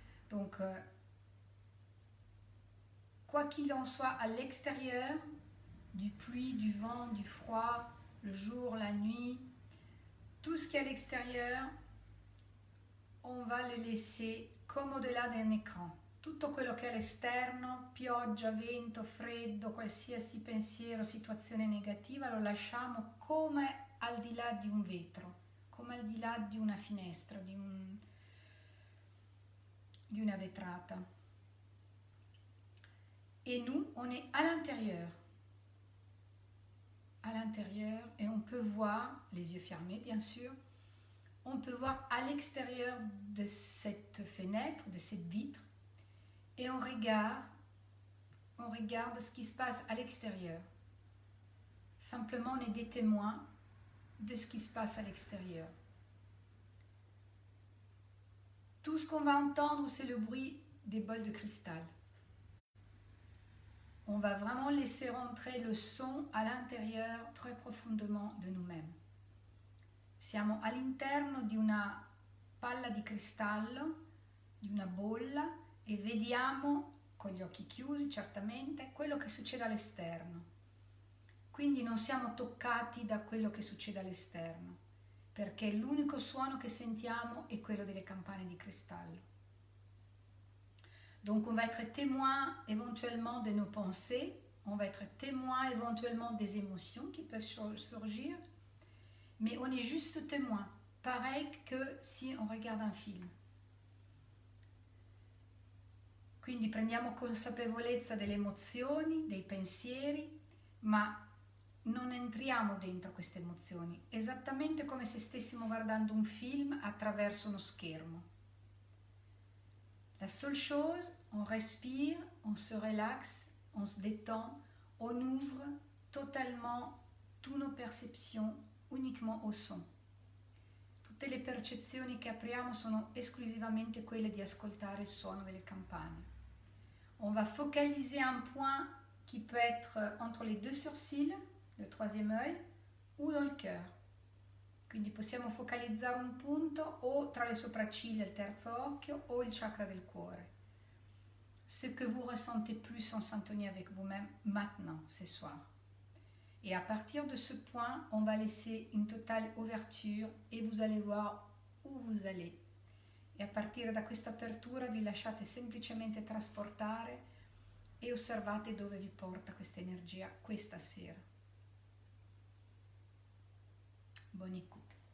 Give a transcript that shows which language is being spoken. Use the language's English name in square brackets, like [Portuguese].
[French] Donc, quoi qu'il en soit à l'extérieur, du pluie, du vent, du froid, le jour, la nuit, tout ce qui est à l'extérieur, on va le laisser comme au-delà d'un écran. [Italian] Tutto quello che è all'esterno, pioggia, vento, freddo, qualsiasi pensiero, situazione negativa, lo lasciamo come al di là di un vetro, come al di là di una finestra, di una vetrata. E noi, [French] on est à l'intérieur, et on peut voir, les yeux fermés bien sûr, on peut voir à l'extérieur de cette fenêtre, de cette vitre, et on regarde ce qui se passe à l'extérieur. Simplement, on est des témoins de ce qui se passe à l'extérieur. Tout ce qu'on va entendre, c'est le bruit des bols de cristal. On va vraiment laisser rentrer le son à l'intérieur très profondément de nous-mêmes. [Italian] Siamo all'interno di una palla di cristallo, di una bolla, e vediamo con gli occhi chiusi certamente quello che succede all'esterno. Quindi non siamo toccati da quello che succede all'esterno, perché l'unico suono che sentiamo è quello delle campane di cristallo. [French] Donc on va être témoin éventuellement de nos pensées, on va être témoin éventuellement des émotions qui peuvent surgir, mais on est juste témoin, pareil que si on regarde un film. [Italian] Quindi prendiamo consapevolezza delle emozioni, dei pensieri, ma non entriamo dentro queste emozioni, esattamente come se stessimo guardando un film attraverso uno schermo. [French] La seule chose, on respire, on se relaxe, on se détend, on ouvre totalement toutes nos perceptions uniquement au son. [Italian] Tutte le percezioni che apriamo sono esclusivamente quelle di ascoltare il suono delle campane. [French] On va focaliser un point qui peut être entre les deux sourcils, le troisième œil, ou dans le cœur. [Italian] Quindi possiamo focalizzare un punto o tra le sopracciglia, il terzo occhio, o il chakra del cuore. [French] Ce que vous ressentez plus en sintonie avec vous-même maintenant, ce soir. Et à partir de ce point, on va laisser une totale ouverture et vous allez voir où vous allez. [Italian] E a partire da questa apertura vi lasciate semplicemente trasportare e osservate dove vi porta questa energia questa sera. Buon ascolto.